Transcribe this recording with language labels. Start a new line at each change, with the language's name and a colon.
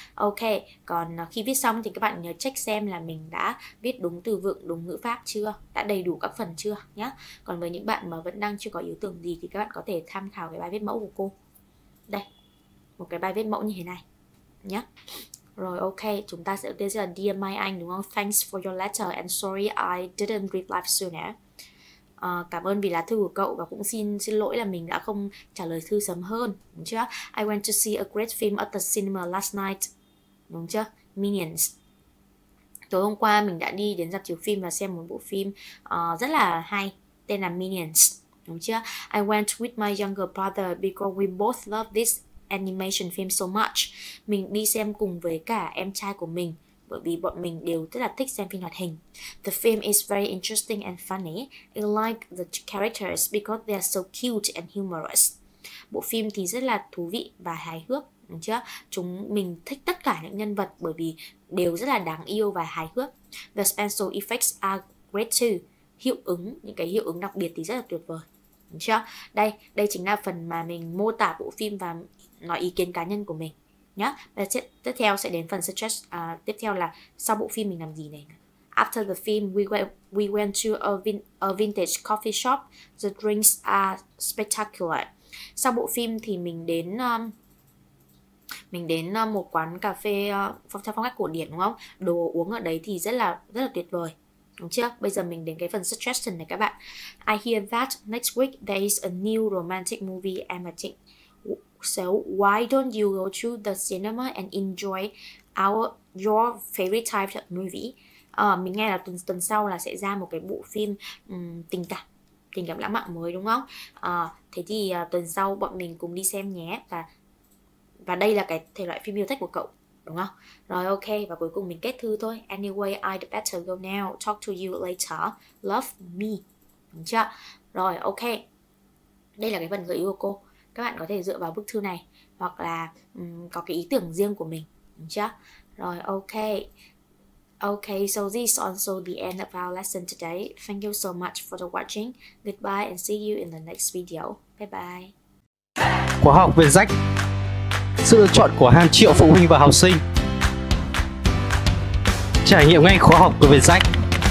Vietnamese: Ok, còn khi viết xong thì các bạn nhớ check xem là mình đã viết đúng từ vựng, đúng ngữ pháp chưa, đã đầy đủ các phần chưa nhá. Còn với những bạn mà vẫn đang chưa có ý tưởng gì thì các bạn có thể tham khảo cái bài viết mẫu của cô. Đây, một cái bài viết mẫu như thế này nhá. Rồi, ok, chúng ta sẽ đưa ra là Dear Mai Anh, đúng không?
English: Thanks for your letter and sorry I didn't reply sooner.
Vietnamese: Cảm ơn vì lá thư của cậu và cũng xin lỗi là mình đã không trả lời thư sớm hơn, đúng chưa?
English: I went to see a great film at the cinema last night, đúng chưa? Minions.
Vietnamese: Tối hôm qua mình đã đi đến rạp chiếu phim và xem một bộ phim rất là hay, tên là Minions, đúng chưa?
English: I went with my younger brother because we both love this animation film so much.
Vietnamese: Mình đi xem cùng với cả em trai của mình bởi vì bọn mình đều rất là thích xem phim hoạt hình.
English: The film is very interesting and funny. I like the characters because they are so cute and humorous.
Vietnamese: Bộ phim thì rất là thú vị và hài hước, đúng chưa? Chúng mình thích tất cả những nhân vật bởi vì đều rất là đáng yêu và hài hước. The special effects are great too. Hiệu ứng, những cái hiệu ứng đặc biệt thì rất là tuyệt vời, đúng chưa? Đây chính là phần mà mình mô tả bộ phim và nói ý kiến cá nhân của mình nhá. Tiếp theo sẽ đến phần suggest. Tiếp theo là sau bộ phim mình làm gì này.
English: After the film we went to a vintage coffee shop. The drinks are spectacular.
Vietnamese: Sau bộ phim thì mình đến một quán cà phê theo phong cách cổ điển, đúng không? Đồ uống ở đấy thì rất là tuyệt vời, đúng chưa? Bây giờ mình đến cái phần suggestion này các bạn.
English: I hear that next week there is a new romantic movie emerging. So why don't you go to the cinema and enjoy your favorite type of movie?
Vietnamese: Mình nghe là tuần sau là sẽ ra một cái bộ phim tình cảm lãng mạn mới, đúng không? Thế thì tuần sau bọn mình cùng đi xem nhé. Và đây là cái thể loại phim yêu thích của cậu, đúng không? Rồi, ok. Và cuối cùng mình kết thư thôi.
English: Anyway, I'd better go now. Talk to you later. Love me. Đúng chưa? Rồi, ok.
Vietnamese: Đây là cái phần gợi ý của cô. Các bạn có thể dựa vào bức thư này hoặc là có cái ý tưởng riêng của mình, đúng chưa? Rồi, ok.
English: Ok, so this is also the end of our lesson today. Thank you so much for the watching. Goodbye and see you in the next video. Bye bye.
Vietnamese: Khóa học Việt Rách. Sự lựa chọn của hàng triệu phụ huynh và học sinh. Trải nghiệm ngay khóa học của Việt Rách.